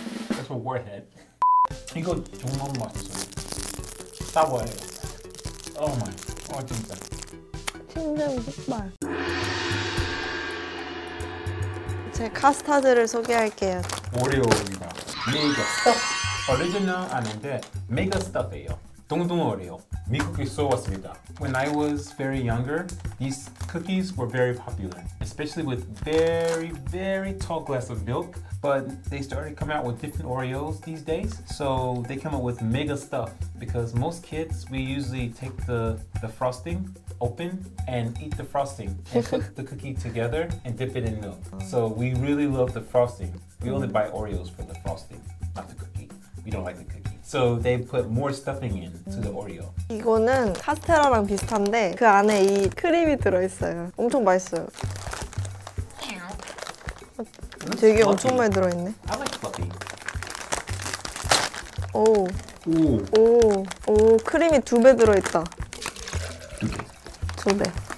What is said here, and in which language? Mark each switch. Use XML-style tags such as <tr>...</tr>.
<en>That's a warhead.</en> <ko>이거 정말 맛있어. 사과예요.</ko> <en>Oh my. Oh,</en> <ko>진짜. 침샘 흑발. 제 카스타드를 소개할게요. 오레오입니다. 메이저 스타. 오리지널 아닌데 메이저 스타예요. 동동 오레오. 미국에서 왔습니다.</ko> <en>When I was very younger, these cookies were very popular, especially with very, very tall glass of milk. But they started coming out with different Oreos these days, so they come out with mega stuff. Because most kids, we usually take the frosting open and eat the frosting and put the cookie together and dip it in milk. So we really love the frosting. We only buy Oreos for the frosting, not the cookie. We don't like the cookie. So they put more stuffing in to the Oreo.</en> <ko>이거는 카스테라랑 비슷한데 그 안에 이 크림이 들어있어요. 엄청 맛있어요. 되게</ko> <en>fluffy.</en> <ko>엄청 많이 들어있네.</ko> <en>I like fluffy.</en> <ko>오. 오. 오, 크림이 두배 들어있다. 두 배.</ko>